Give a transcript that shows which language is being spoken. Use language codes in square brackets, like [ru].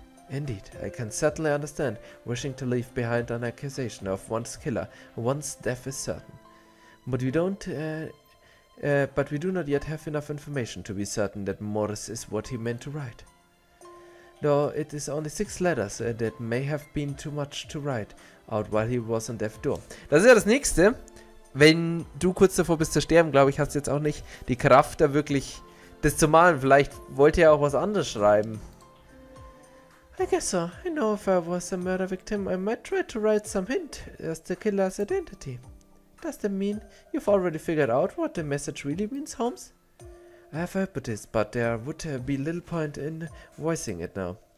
[en] Indeed, I can certainly understand wishing to leave behind an accusation of one's killer once death is certain. But we don't. But we do not yet have enough information to be certain that Morris is what he meant to write. Though it is only 6 letters, that may have been too much to write out while he was on death's door. [de] Das ist ja das Nächste. Wenn du kurz davor bist zu sterben, glaube ich, hast du jetzt auch nicht die Kraft, da wirklich das zu malen. Vielleicht wollte er auch was anderes schreiben. [en] I guess so. I know if I was a murder victim, I might try to write some hint as the killer's identity. Does that mean you've already figured out what the message really means, Holmes? I have a hypothesis, but there would be little point in voicing it now.